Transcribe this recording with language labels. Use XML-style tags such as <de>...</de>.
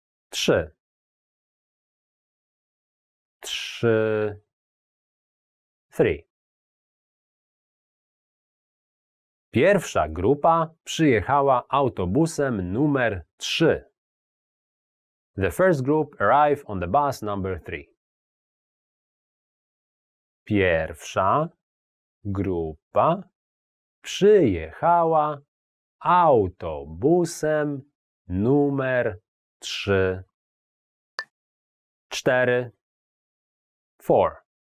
<pl>3. 3. 3. Pierwsza grupa przyjechała autobusem numer 3.</pl> <en>The first group arrived on the bus number 3.</en> <pl>Pierwsza grupa przyjechała autobusem numer 3. 4. 4.</pl>